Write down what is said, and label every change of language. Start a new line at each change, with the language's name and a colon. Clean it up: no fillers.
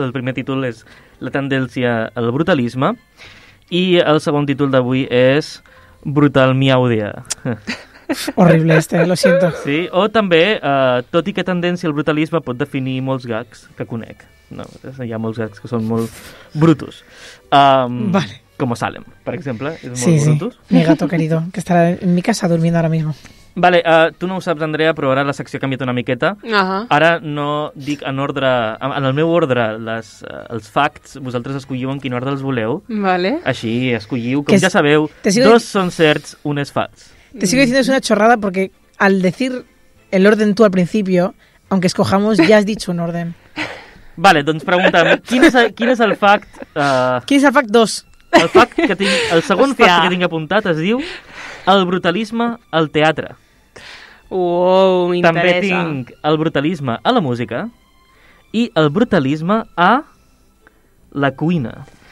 Catalan: El primer títol és La tendència al brutalisme i el segon títol d'avui és Brutal miaudia.
Spanish: Horrible este, lo siento.
Catalan: Sí, o també, tot i que tendència al brutalisme pot definir molts gags que conec. No, hi ha molts gags que són molt brutos. Vale. Como Salem, per exemple, és molt sí, brutus.
Spanish: Sí. Mi gato querido, que estarà en mi casa durmiendo ahora mismo.
Catalan: Vale, tu no ho saps, Andrea, però ara la secció ha canviat una miqueta. Uh-huh. Ara no dic en ordre, en el meu ordre, els facts, vosaltres escolliu en quin ordre els voleu. Vale. Així, escolliu, com que ja sabeu, dos són certs, un és fals.
Spanish: Te sigo diciendo, es una chorrada, porque al decir el orden tú al principio, aunque escojamos, ya has dicho un orden.
Catalan: Vale, doncs pregunta'm, quin és el fact... Quin és el fact 2? El fact que tinc, el segon Hòstia. Fact que tinc apuntat es diu el brutalisme al teatre. Wow, m'interessa. També tinc el brutalisme a la música i el brutalisme a la cuina.